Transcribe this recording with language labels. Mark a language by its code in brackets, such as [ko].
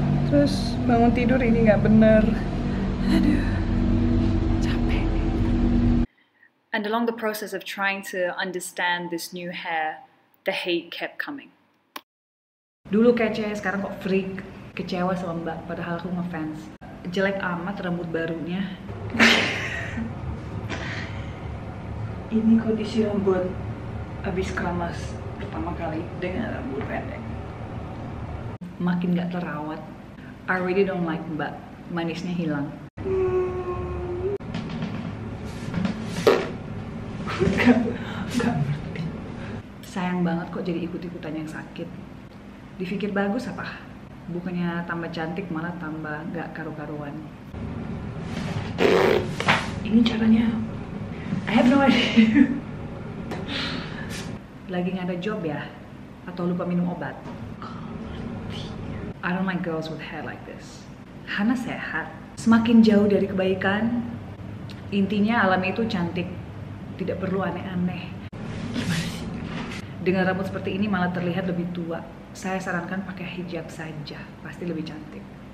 [id] Terus bangun tidur ini nggak bener. Aduh. [en] And along the process of trying to understand this new hair, the hate kept coming. [id] Dulu kece, sekarang kok freak, kecewa sama mbak, padahal aku ngefans. Jelek amat rambut barunya. Ini kok disiram buat abis keramas pertama kali dengan rambut pendek. Makin gak terawat. [en] I really don't like mbak, [id] manisnya hilang. Gak. Sayang banget kok jadi ikut-ikutan yang sakit. Dipikir bagus apa? Bukannya tambah cantik, malah tambah gak karu-karuan. Ini caranya. [en] I have no idea. [id] Lagi gak ada job ya? Atau lupa minum obat? [en] I don't like girls with hair like this. [id] Hana sehat. Semakin jauh dari kebaikan, intinya alam itu cantik. Tidak perlu aneh-aneh. Dengan rambut seperti ini malah terlihat lebih tua. Saya sarankan pakai hijab saja, pasti lebih cantik.